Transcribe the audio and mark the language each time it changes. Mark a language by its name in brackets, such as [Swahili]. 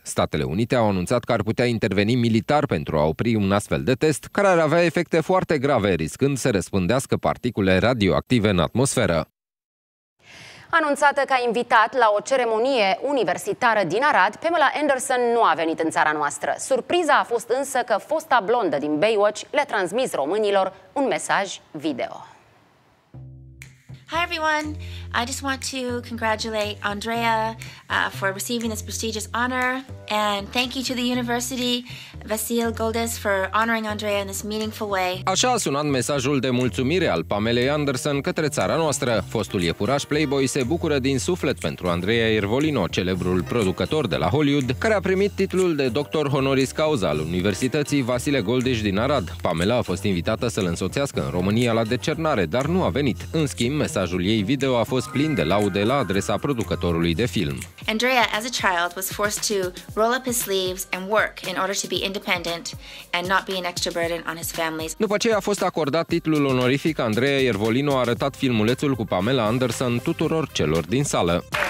[Romanian] Statele Unite au anunțat că ar putea interveni militar pentru a opri un astfel de test, care ar avea efecte foarte grave, riscând să răspândească particule radioactive în atmosferă. Anunțată ca invitat la o ceremonie universitară din Arad, Pamela Anderson nu a venit în țara noastră. Surpriza a fost însă că fosta blondă din Baywatch le-a transmis românilor un mesaj video. [English] Hi everyone. I just want to congratulate Andrea for receiving this prestigious honor and thank you to the university Vasile Goldes for honoring Andrea in this meaningful way. [Romanian] Așa a sunat mesajul de mulțumire al Pamelei Anderson către țara noastră. Fostul iepuraș Playboy se bucură din suflet pentru Andrea Irvolino, celebrul producător de la Hollywood, care a primit titlul de doctor honoris causa al Universității Vasile Goldes din Arad. Pamela a fost invitată să-l însoțească în România la decernare, dar nu a venit. În schimb, mesajul ei video a fost plin de laude la adresa producătorului de film. [English] Andrea, as a child, was forced to roll up his sleeves and work in order to be independent and not be an extra burden on his family. [Romanian] După ce a fost acordat titlul onorific, Andrea Iervolino a arătat filmulețul cu Pamela Anderson tuturor celor din sală.